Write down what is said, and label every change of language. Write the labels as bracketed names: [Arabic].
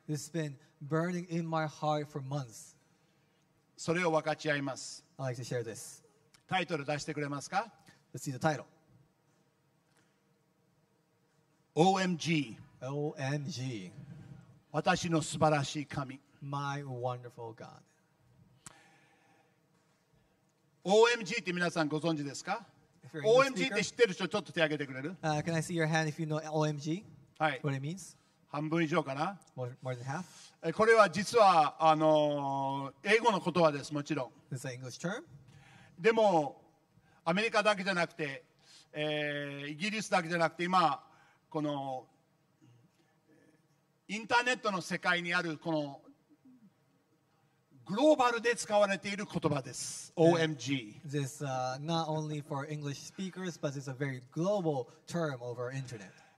[English] It's been burning in my heart for months. [Japanese] それを分かち合います。 [English] I'd like to share this. [Japanese] タイトル出してくれますか？ [English] Let's see the title. OMG. OMG. [Japanese] 私の素晴らしい神。 [English] My wonderful God. [Japanese] OMG って皆さんご存知ですか？OMG って知ってる人ちょっと手挙げてくれる？ [English] Can I see your hand if you know OMG? [Japanese] はい。 [English] What it means? [Japanese] 半分以上かな？ [English] More than half? [Japanese] これは実は英語の言葉です、もちろん。 [English] This is an English term? [Japanese] でも、アメリカだけじゃなくて、イギリスだけじゃなくて、今、このインターネットの世界にあるこのグローバルで使われている言葉です。 [English] OMG。 This is not only for English speakers, but it's a very global term over internet.